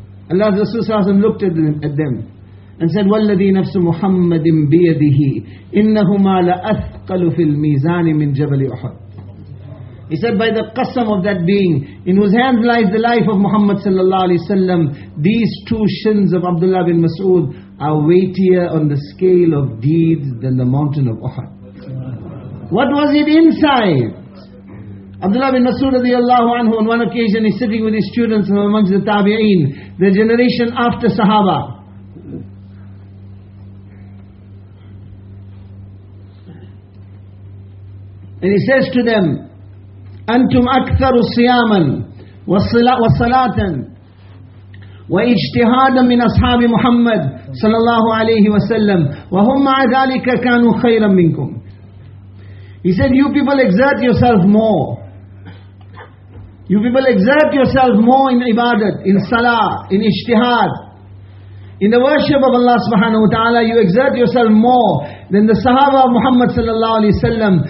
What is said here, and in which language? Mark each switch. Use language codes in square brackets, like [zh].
[en] Allah's Rasul sallallahu alayhi wa looked at them and said, [ar] وَالَّذِي نَفْسُ مُحَمَّدٍ بِيَدِهِ إِنَّهُمَا لَأَثْقَلُ فِي الْمِيزَانِ مِنْ جَبَلِ أُحَدٍ. [en] He said, by the qasam of that being, in whose hands lies the life of Muhammad sallallahu alayhi wa sallam, these two shins of Abdullah bin Mas'ud are weightier on the scale of deeds than the mountain of Uhud. What was it inside? Abdullah bin Mas'ud radiallahu anhu, on one occasion he's sitting with his students from amongst the tabi'een, the generation after Sahaba. And he says to them, [ar] أنتم أكثر صياما وصلاة واجتهادا من أصحاب محمد صلى الله عليه وسلم وهم مع ذلك كانوا خيرا منكم. [en] He said, you people exert yourself more. You people exert yourself more in ibadat, in salah, in ijtihad. In the worship of Allah subhanahu wa ta'ala, you exert yourself more than the sahaba of Muhammad sallallahu alayhi wa sallam.